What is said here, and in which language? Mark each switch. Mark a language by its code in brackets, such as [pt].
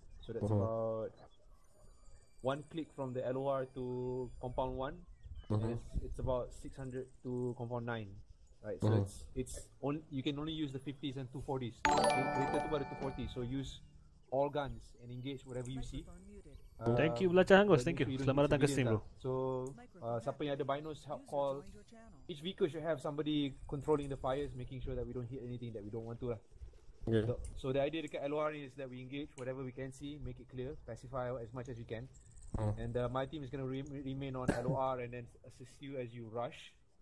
[en] So that's about one click from the LOR to compound one. It's about 600 to compound 9, right? So you can only use the 50s and 240s. Greater to about the 240s. So use all guns and engage whatever you see. Thank you, [ms] Belacan Angus. Thank you. Selamat datang ke stream, bro. So, siapa yang ada binos, [en] help call. Each vehicle should have somebody controlling the fires, making sure that we don't hit anything that we don't want to lah. Yeah. So the idea dekat LOR is that we engage whatever we can see, make it clear, pacify as much as we can. And my team is going to remain on LOR and then assist you as you rush.